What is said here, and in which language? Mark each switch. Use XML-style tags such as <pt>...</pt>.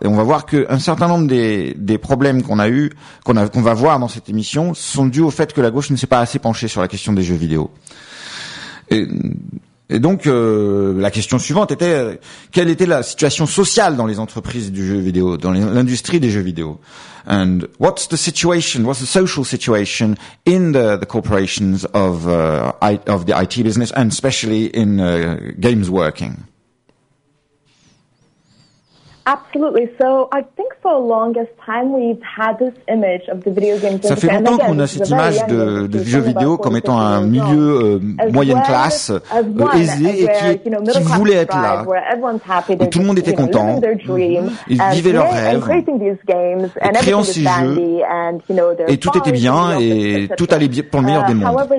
<fr>Et on va voir que un certain nombre des problèmes qu'on va voir dans cette émission sont dus au fait que la gauche ne s'est pas assez penchée sur la question des jeux vidéo. Et donc, la question suivante était, quelle était la situation sociale dans les entreprises du jeu vidéo, dans l'industrie des jeux vidéo?</fr> <en>And what's the situation, what's the social situation in the corporations of the IT business, and especially in games working? Absolutely. So I think for the longest time we've had this image of the video game industry.</en> <fr>Ça fait longtemps qu'on a cette image de jeux vidéo comme étant un milieu moyenne classe, aisé et qui voulait être là. Où tout le monde était content. Ils vivaient leur rêve. Et créant ces jeux. Et tout était bien et tout allait bien pour le meilleur des mondes.</fr>